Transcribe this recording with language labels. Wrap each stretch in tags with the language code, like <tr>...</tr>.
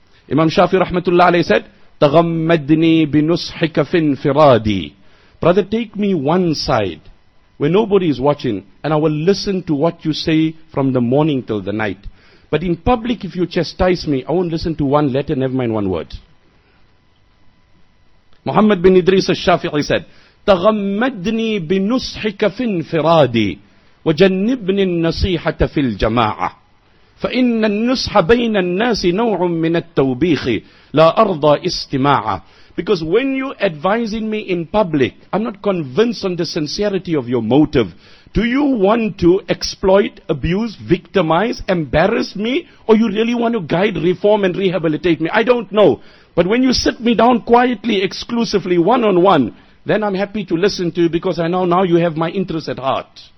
<en>Imam Shafi rahmatullah alayhi said,</en> <ar>تغمدني بنصحك في انفرادي.</ar> <en>Brother, take me one side where nobody is watching and I will listen to what you say from the morning till the night. But in public, if you chastise me, I won't listen to one letter, never mind one word.</en> <ar>Muhammad bin Idris al-Shafi'i said, تغمدني بنصحك في انفرادي وجنبني النصيحة في الجماعة فإن النصح بين الناس نوع من التوبيخ لا أرضى استماعة.</ar> <en>Because when you advising me in public, I'm not convinced on the sincerity of your motive. Do you want to exploit, abuse, victimize, embarrass me? Or you really want to guide, reform and rehabilitate me? I don't know. But when you sit me down quietly, exclusively, one-on-one, then I'm happy to listen to you because I know now you have my interest at heart.</en>